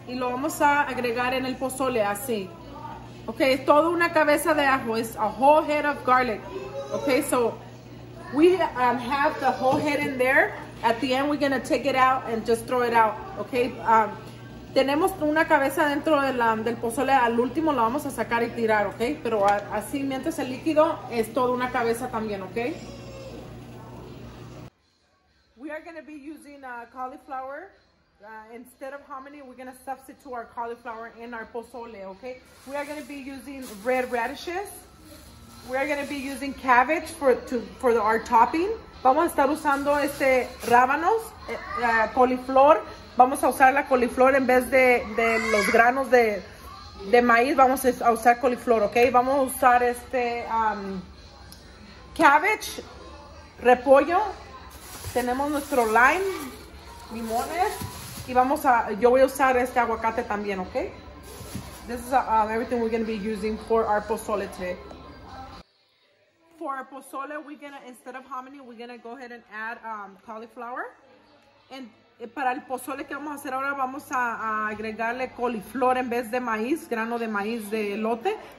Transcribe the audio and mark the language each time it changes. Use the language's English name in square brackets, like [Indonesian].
[Spanish] Y lo vamos a agregar en el pozole, así. Okay, es toda una cabeza de ajo. [English] It's a whole head of garlic. Okay, so we have the whole head in there. At the end, we're gonna take it out and just throw it out, okay? [Spanish] Tenemos una cabeza dentro de la, del pozole, al último la vamos a sacar y tirar, okay? Pero así, mientras el líquido, es toda una cabeza también, okay? [English] We are gonna be using cauliflower. Instead of hominy, we're gonna substitute our cauliflower in our pozole, okay? We are gonna be using red radishes. We are gonna be using cabbage for our topping. [Spanish] Vamos a estar usando este rábanos, coliflor. Vamos a usar la coliflor en vez de los granos de maíz. Vamos a usar coliflor, ¿ok? Vamos a usar este cabbage, repollo. Tenemos nuestro lime, limones. Y vamos a, yo voy a usar este aguacate también, ¿ok? [English] This is everything we're going to be using for our pozole today. For our pozole, we're gonna, instead of hominy, we're gonna go ahead and add cauliflower. [Spanish] And para el pozole que vamos a hacer ahora, vamos a agregarle coliflor en vez de maíz, grano de maíz de elote.